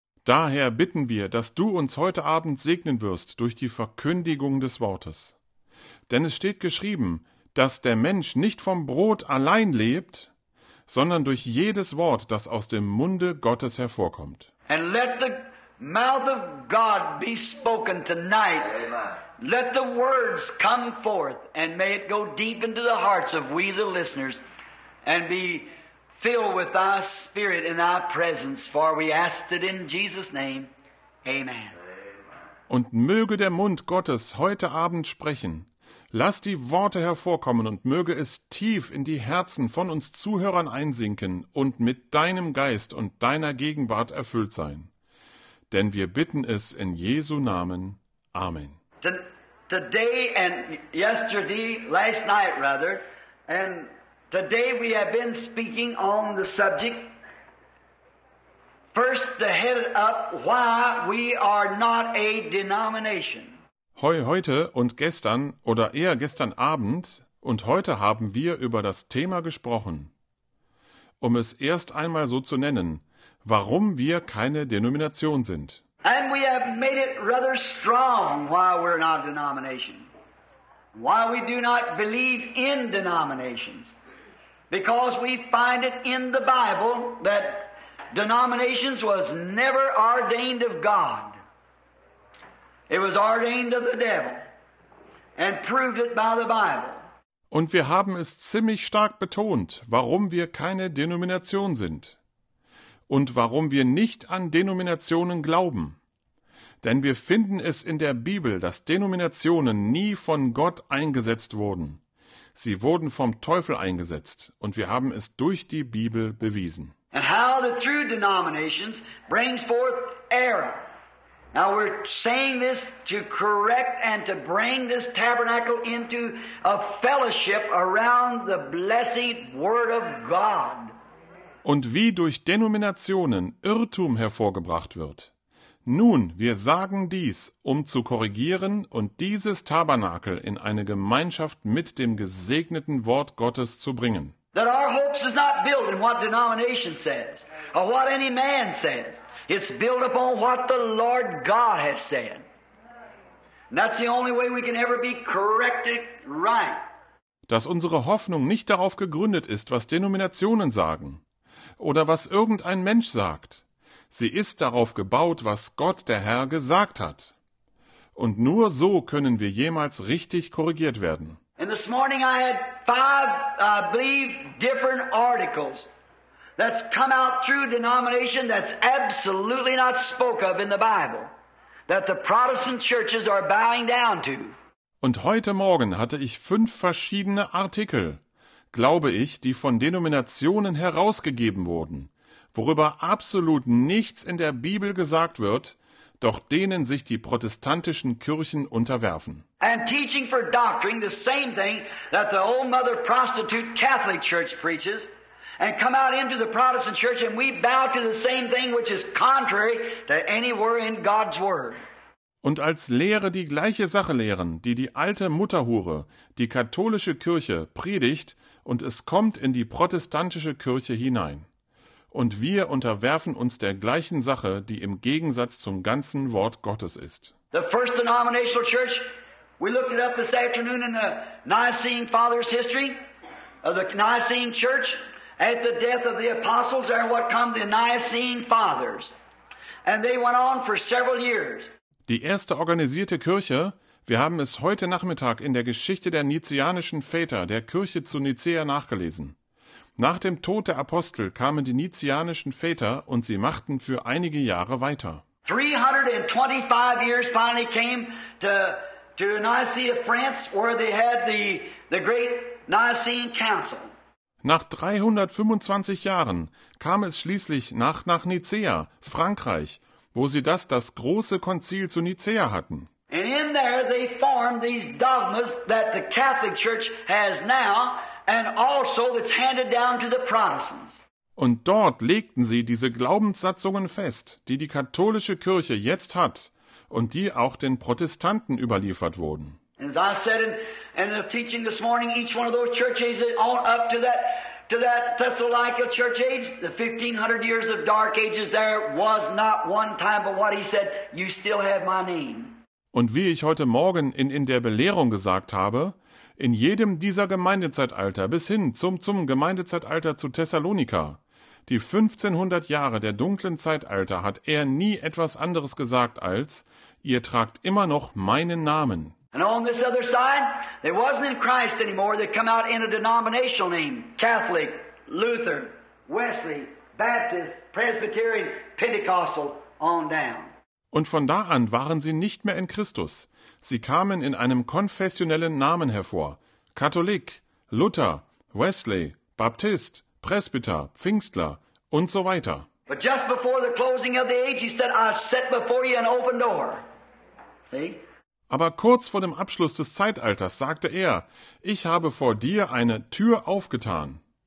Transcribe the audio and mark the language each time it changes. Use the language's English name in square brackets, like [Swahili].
[German] Daher bitten wir, dass du uns heute Abend segnen wirst durch die Verkündigung des Wortes. Denn es steht geschrieben, dass der Mensch nicht vom Brot allein lebt, sondern durch jedes Wort, das aus dem Munde Gottes hervorkommt. [English] And let the mouth of God be spoken tonight. Amen. Let the words come forth, and may it go deep into the hearts of we the listeners, and be filled with thy spirit in thy presence, for we ask it in Jesus' name. Amen. [German] Und möge der Mund Gottes heute Abend sprechen. Lass die Worte hervorkommen und möge es tief in die Herzen von uns Zuhörern einsinken und mit deinem Geist und deiner Gegenwart erfüllt sein. Denn wir bitten es in Jesu Namen. Amen. [English] Today and yesterday, last night rather, and today we have been speaking on the subject, first the head up, why we are not a denomination. [German] Heute und gestern oder eher gestern Abend und heute haben wir über das Thema gesprochen. Um es erst einmal so zu nennen, warum wir keine Denomination sind. [English] And we have made it rather strong why we're not a denomination. Why we do not believe in denominations. Because we find it in the Bible that denominations was never ordained of God. It was ordained of the devil and proved it by the Bible. [German] Und wir haben es ziemlich stark betont, warum wir keine Denomination sind und warum wir nicht an Denominationen glauben. Denn wir finden es in der Bibel, dass Denominationen nie von Gott eingesetzt wurden. Sie wurden vom Teufel eingesetzt und wir haben es durch die Bibel bewiesen. [English] And how the true denominations brings forth error. Now we're saying this to correct and to bring this tabernacle into a fellowship around the blessed Word of God. [German] Und wie durch Denominationen Irrtum hervorgebracht wird. Nun, wir sagen dies, um zu korrigieren und dieses Tabernakel in eine Gemeinschaft mit dem gesegneten Wort Gottes zu bringen. [English] That our hopes is not built in what denomination says, or what any man says. It's built upon what the Lord God has said. And that's the only way we can ever be corrected right. [German] Dass unsere Hoffnung nicht darauf gegründet ist, was Denominationen sagen oder was irgendein Mensch sagt. Sie ist darauf gebaut, was Gott der Herr gesagt hat. Und nur so können wir jemals richtig korrigiert werden. [English] And this morning I had five, I believe, different articles. That's come out through denomination that's absolutely not spoke of in the Bible, that the Protestant churches are bowing down to. [German] Und heute Morgen hatte ich 5 verschiedene Artikel, glaube ich, die von Denominationen herausgegeben wurden, worüber absolut nichts in der Bibel gesagt wird, doch denen sich die protestantischen Kirchen unterwerfen. [English] And teaching for doctrine the same thing that the old mother prostitute Catholic Church preaches. And come out into the Protestant church and we bow to the same thing which is contrary to anywhere in God's word. [German] Und als Lehre die gleiche Sache lehren, die alte Mutterhure, die katholische Kirche, predigt und es kommt in die protestantische Kirche hinein. Und wir unterwerfen uns der gleichen Sache, die im Gegensatz zum ganzen Wort Gottes ist. [English] The first denominational church, we looked it up this afternoon in the Nicene Fathers' history of the Nicene church. At the death of the apostles are what come the Nicene Fathers. And they went on for several years. [German] Die erste organisierte Kirche, wir haben es heute Nachmittag in der Geschichte der Nizianischen Väter, der Kirche zu Nizea nachgelesen. Nach dem Tod der Apostel kamen die Nizianischen Väter und sie machten für einige Jahre weiter. [English] 325 years finally came to Nicaea, France, where they had the great Nicene Council. [German] Nach 325 Jahren kam es schließlich nach Nicea, Frankreich, wo sie das große Konzil zu Nicea hatten. [English] And in there they formed these dogmas that the Catholic Church has now and also that's handed down to the Protestants. [German] Und dort legten sie diese Glaubenssatzungen fest, die katholische Kirche jetzt hat und die auch den Protestanten überliefert wurden. [English] And as I said in the teaching this morning, each one of those churches is on up to that to that Thessalonica church age, the 1500 years of dark ages there was not one time but what he said, you still have my name. [German] Und wie ich heute Morgen in der Belehrung gesagt habe, in jedem dieser Gemeindezeitalter bis hin zum Gemeindezeitalter zu Thessalonika, die 1500 Jahre der dunklen Zeitalter, hat er nie etwas anderes gesagt als, ihr tragt immer noch meinen Namen. [English] And on this other side, they wasn't in Christ anymore. They come out in a denominational name. Catholic, Lutheran, Wesley, Baptist, Presbyterian, Pentecostal, on down. [German] Und von da an waren sie nicht mehr in Christus. Sie kamen in einem konfessionellen Namen hervor. Katholik, Luther, Wesley, Baptist, Presbyter, Pfingstler und so weiter. [English] But just before the closing of the age, he said, I set before you an open door. See? [German] Aber kurz vor dem Abschluss des Zeitalters sagte er, ich habe vor dir eine Tür aufgetan.